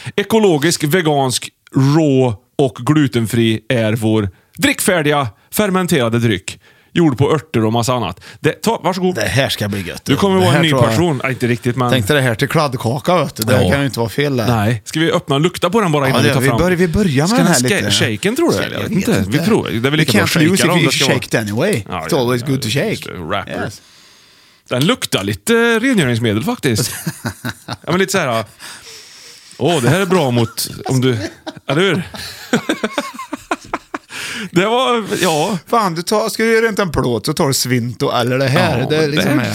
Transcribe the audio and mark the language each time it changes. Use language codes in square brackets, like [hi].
[sv] Ekologisk, vegansk, rå och glutenfri är vår drickfärdiga fermenterade dryck. Gjord på örter och massa annat. Varsågod. Det här ska bli gött. Du kommer vara en ny person. Jag, inte riktigt, men... Tänkte det här till kladdkaka, vet du. Det kan ju inte vara fel. Där. Nej. Ska vi öppna och lukta på den bara innan vi tar fram? Vi börjar med den här lite. Shaken tror du? Jag vet inte. Vi tror. Det är väl lika bra att shaka. [en] We can't shake it anyway. It's always good to shake. Rapper. Yes. [sv] Den luktar lite rengöringsmedel faktiskt. Ja, men lite så här. Det här är bra mot... Om du... Är du hur? Det var, ja. Fan, ska du göra inte en plåt så tar du Svinto eller det här. Ja, det är liksom,